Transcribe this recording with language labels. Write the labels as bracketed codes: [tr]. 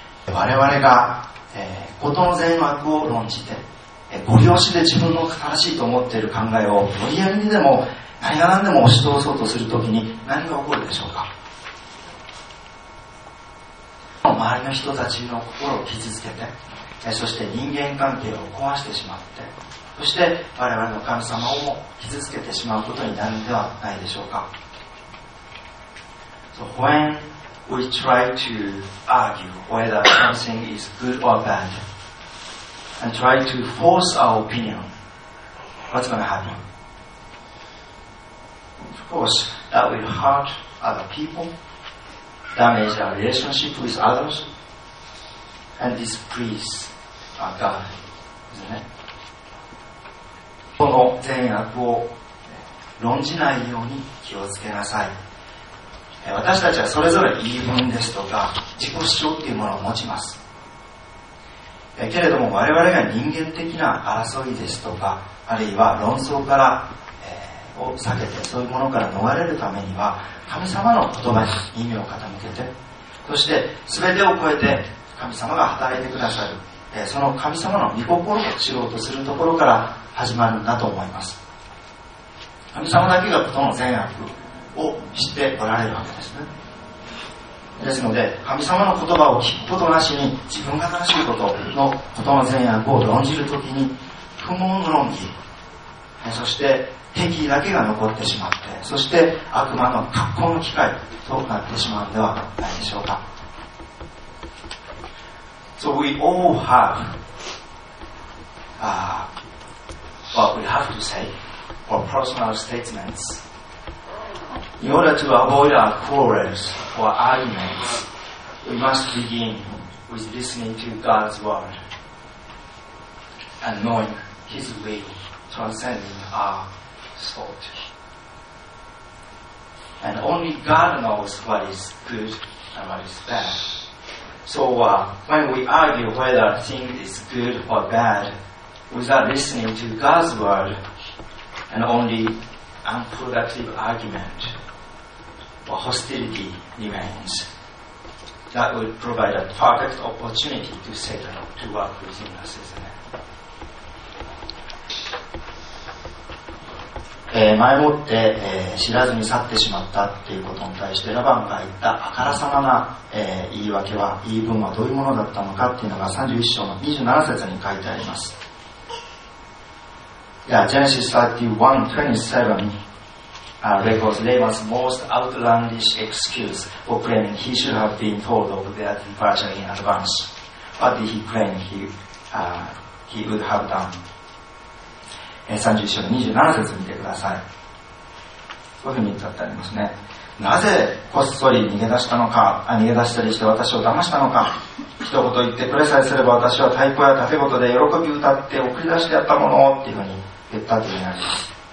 [ja] 我々が、事の善悪を論じて、ご利用しで自分の正しいと思っている考えを無理やりにでも何が何でも押し通そうとするときに何が起こるでしょうか。周りの人たちの心を傷つけて、そして人間関係を壊してしまって、そして我々の神様をも傷つけてしまうことになるのではないでしょうか。 [en] So when we try to argue whether something is good or bad and try to force our opinion, what's going to happen? Of course, that will hurt other people, damage our relationship with others, and displease our God, isn't it? [ja] この善悪を論じないように気をつけなさい。私たちはそれぞれ言い分ですとか自己主張というものを持ちます。けれども我々が人間的な争いですとか、あるいは論争から、を避けて、そういうものから逃れるためには、神様の言葉に耳を傾けて、そして全てを超えて神様が働いてくださる、その神様の御心を知ろうとするところから始まるんだと思います。神様だけがことの善悪を知っておられるわけですね。ですので神様の言葉を聞くことなしに自分が正しいことのことの善悪を論じるときに、不毛の論議、そして敵意だけが残ってしまって、そして悪魔の格好の機会となってしまうのではないでしょうか。 [en] So we all have what we have to say or personal statements in order to avoid our quarrels or arguments, we must begin with listening to God's word and knowing His will transcending our thought. And only God knows what is good and what is bad. So when we argue whether a thing is good or bad,without listening to God's word and only unproductive argument or hostility remains, that would provide a perfect opportunity to Satan to work within us, isn't it? [ja] 前もって、知らずに去ってしまったっていうことに対してラバンが言ったあからさまな、言い訳は、言い分はどういうものだったのかっていうのが31章の27節に書いてあります。 [en] Yeah, Genesis 31:27 records Laban's most outlandish excuse for claiming he should have been told of their departure in advance. What did he claim he would have done? [ja] 31章27節見てください。こういうふうに言ってありますね。なぜこっそり逃げ出したのか、逃げ出したりして私を騙したのか、一言言ってくれさえすれば私は太鼓や盾ごとで喜び歌って送り出してやったものっていうふうに言ったというのがあります。